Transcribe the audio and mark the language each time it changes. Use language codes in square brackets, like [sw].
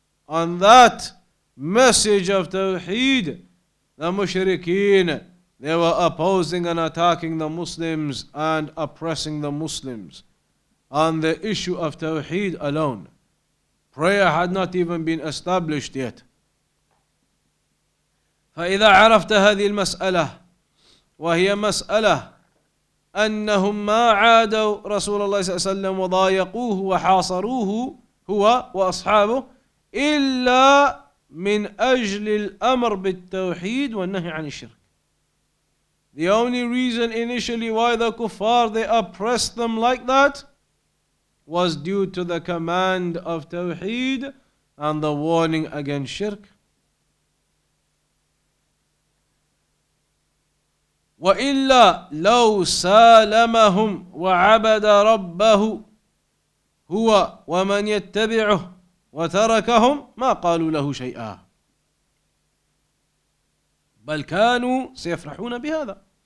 [en] on that message of Tawheed, the mushrikeen, they were opposing and attacking the Muslims and oppressing the Muslims on the issue of Tawheed alone. Prayer had not even been established yet. [ar] فإذا عرفت هذه المسألة وهي مسألة أنهم ما عادوا رسول الله صلى الله عليه وسلم وضايقوه وحاصروه هو وأصحابه إلا من أجل الأمر بالتوحيد والنهي عن الشرك. [en] The only reason initially why the kuffar they oppressed them like that was due to the command of Tawheed and the warning against shirk. [ar] وإلا لو سالمهم وعبد ربه هو ومن يتبعه وتركهم ما قالوا له شيئا بل كانوا سيفرحون بهذا.